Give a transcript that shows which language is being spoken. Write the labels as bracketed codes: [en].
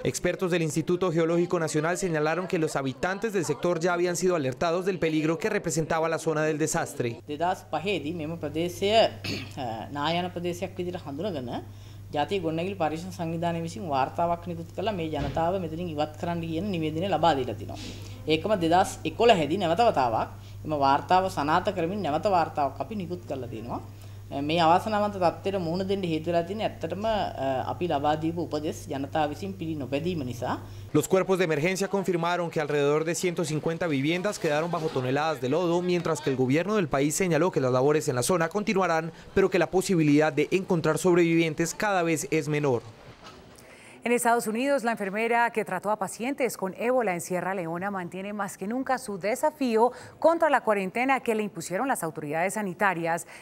[es] Expertos del Instituto Geológico Nacional señalaron que los habitantes del sector ya habían sido alertados del peligro que representaba la zona del desastre. [si] එම වාර්තාව සනාථ කරමින් නැවත වාර්තාවක් අපි නිකුත් කරලා තිනවා මේ අවසනාවන්ත තත්ත්වෙට මුහුණ දෙන්න හේතු වෙලා තියෙන ඇත්තටම අපි ලබා දීපු උපදෙස් ජනතාව විසින් පිළි නොපැදීම නිසා. [es] Los cuerpos de emergencia confirmaron que alrededor de 150 viviendas quedaron bajo toneladas de lodo, mientras que el gobierno del país señaló que las labores en la zona continuarán, pero que la posibilidad de encontrar sobrevivientes cada vez es menor. En Estados Unidos, la enfermera que trató a pacientes con ébola en Sierra Leona mantiene más que nunca su desafío contra la cuarentena que le impusieron las autoridades sanitarias.